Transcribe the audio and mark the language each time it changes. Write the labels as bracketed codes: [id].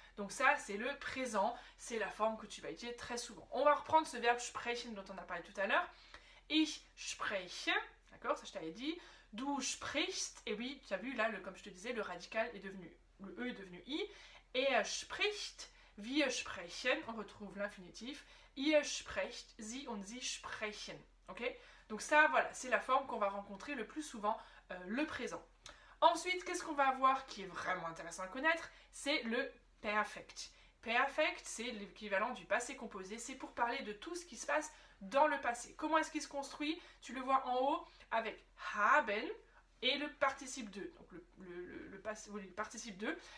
[fr] Donc ça, c'est le présent, c'est la forme que tu vas utiliser très souvent. On va reprendre ce verbe sprechen dont on a parlé tout à l'heure. [de] Ich spreche, [fr] d'accord, ça je t'avais dit. [de] Du sprichst, [fr] et oui, tu as vu là, comme je te disais, le radical est devenu, le E est devenu I. [de] Er spricht, wir sprechen, [fr] on retrouve l'infinitif. [de] Ihr sprecht, sie und sie sprechen, ok? [fr] Donc ça, voilà, c'est la forme qu'on va rencontrer le plus souvent, le présent. Ensuite, qu'est-ce qu'on va avoir qui est vraiment intéressant à connaître? C'est le perfect. Perfect, c'est l'équivalent du passé composé. C'est pour parler de tout ce qui se passe dans le passé. Comment est-ce qu'il se construit? Tu le vois en haut avec haben et le participe de. Donc le participe de.